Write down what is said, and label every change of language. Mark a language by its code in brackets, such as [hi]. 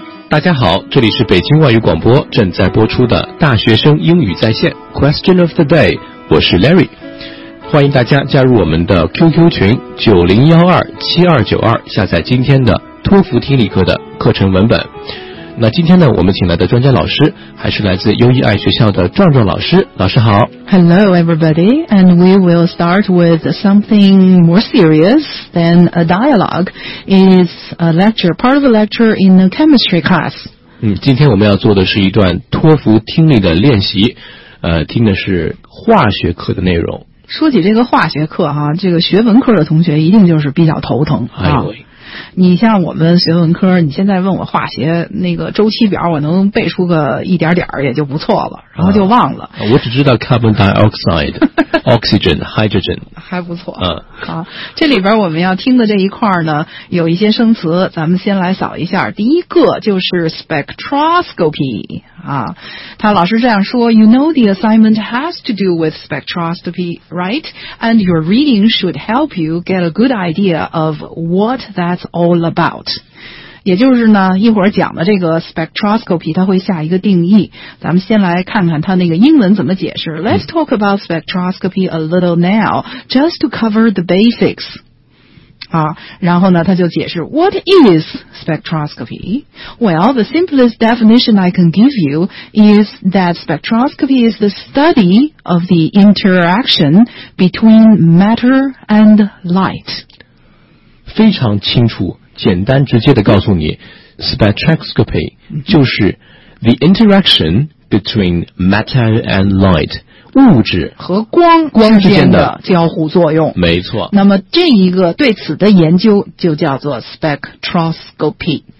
[zh] 大家好，这里是北京外语广播正在播出的大学生英语在线 Question of the Day， 我是 Larry， 欢迎大家加入我们的 QQ 群90127292，下载今天的托福听力课的课程文本。那今天呢，我们请来的专家老师还是来自优益爱学校的壮壮老师。老师好。 [en] Hello everybody, and we will start with something more serious than a dialogue. It's a lecture, part of a lecture in a chemistry class. [zh] 今天我们要做的是一段托福听力的练习，听的是化学课的内容。说起这个化学课哈，这个学文科的同学一定就是比较头疼。哎呦喂。你像我们学文科，你现在问我化学那个周期表，我能背出个一点点也就不错了，然后就忘了。啊、我只知道 [en] carbon dioxide, oxygen, hydrogen, [zh] 还不错。这里边我们要听的这一块呢，有一些生词，咱们先来扫一下。第一个就是 spectroscopy 啊，他老师这样说 [en] ，You know the assignment has to do with spectroscopy, right? And your reading should help you get a good idea of what that's all about. [zh] 也就是呢，一会儿讲的这个 spectroscopy 它会下一个定义，咱们先来看看它那个英文怎么解释。 [en] Let's talk about spectroscopy a little now, just to cover the basics. [zh] 啊，然后呢，他就解释 [en] What is spectroscopy? Well, the simplest definition I can give you is that spectroscopy is the study of the interaction between matter and light. [zh] 非常清楚简单直接的告诉你 spectroscopy 就是 [en] the interaction between matter and light [zh] 物质和光之间的交互作用，没错。那么这一个对此的研究就叫做 spectroscopy。